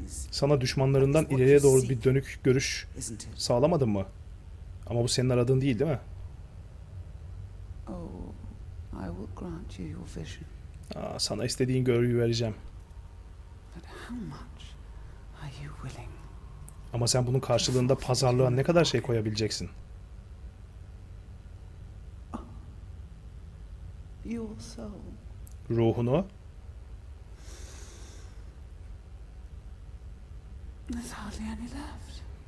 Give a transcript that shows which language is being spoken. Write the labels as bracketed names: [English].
[Turkish] Sana düşmanlarından ileriye doğru bir dönük görüş sağlamadım mı? Ama bu senin aradığın değil, değil mi? [English] Oh, I will grant you your vision. [Turkish] Aa, sana istediğin görüyü vereceğim. [English] But how much are you willing? [Turkish] Ama sen bunun karşılığında pazarlığa ne kadar şey koyabileceksin? [English] Your soul. [Turkish] Ruhunu. [English] There's hardly any left.